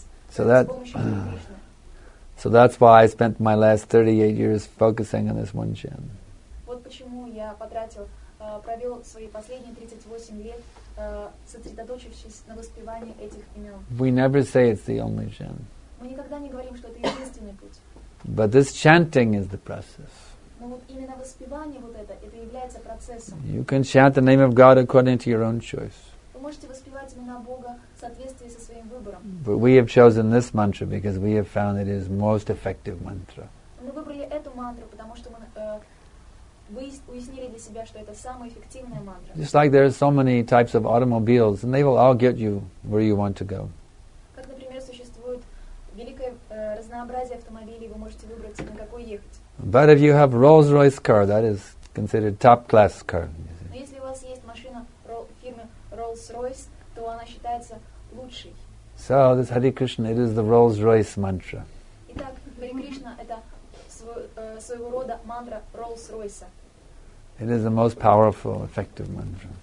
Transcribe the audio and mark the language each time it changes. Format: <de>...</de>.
<en>So that's why I spent my last 38 years focusing on this one chant.</en> <ru>Вот почему я провел свои последние 38 лет, сосредоточившись на воспевании этих имен.</ru> <en>We never say it's the only chant.</en> <ru>Мы никогда не говорим, что это единственный путь.</ru> <en>But this chanting is the process.</en> <ru>Но вот именно воспевание вот это является процессом.</ru> <en>You can chant the name of God according to your own choice.</en> <ru>Вы можете воспевать имена Бога в соответствии со своим выбором.</ru> <en>But we have chosen this mantra because we have found it is most effective mantra.</en> <ru>Мы выбрали эту мантру, потому что мы уяснили для себя, что это самая эффективная мантра.</ru> <en>Just like there are so many types of automobiles, and they will all get you where you want to go.</en> <ru>Как, например, существует великое разнообразие автомобилей, вы можете выбрать, на какой ехать.</ru> <en>But if you have Rolls-Royce car, that is considered top-class car.</en> <ru>Но если у вас есть машина фирмы Rolls-Royce, то она считается лучшей.</ru> <en>So this Hare Krishna, it is the Rolls-Royce mantra.</en> <ru>Итак, Hare Krishna это своего рода мантра Rolls-Royce.</ru> <en>It is the most powerful, effective mantra.</en>